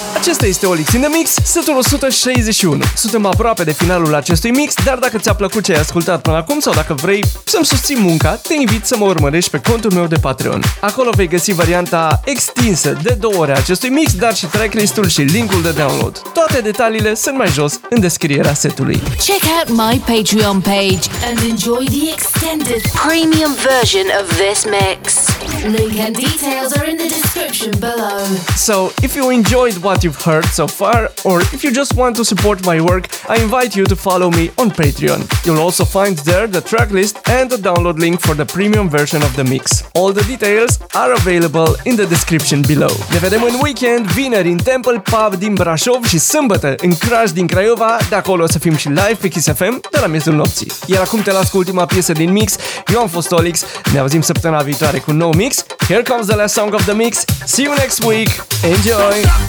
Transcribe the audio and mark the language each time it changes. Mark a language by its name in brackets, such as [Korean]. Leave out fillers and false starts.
[Romanian] asta este OLiX in the Mix, setul 161. Suntem aproape de finalul acestui mix, dar dacă ți-a plăcut ce ai ascultat până acum sau dacă vrei să-mi susții munca, te invit să mă urmărești pe contul meu de Patreon. Acolo vei găsi varianta extinsă de 2 ore acestui mix, dar și tracklist-ul și link-ul de download. Toate detaliile sunt mai jos în descrierea setului. [English] Check out my Patreon page and enjoy the extended premium version of this mix. Link and details are in the description below. So, if you enjoyed what you've heard so far, or if you just want to support my work, I invite you to follow me on Patreon. You'll also find there the tracklist and the download link for the premium version of the mix. All the details are available in the description below. [Romanian] Ne vedem în weekend, vineri în Temple Pub din Brașov și sâmbătă în Crash din Craiova, de acolo o să fim și live pe Kiss FM de la miezul nopții. Iar acum te las cu ultima piesă din mix, eu am fost OLiX, ne auzim săptămâna viitoare cu un nou mix. [English] Here comes the last song of the mix, see you next week, enjoy!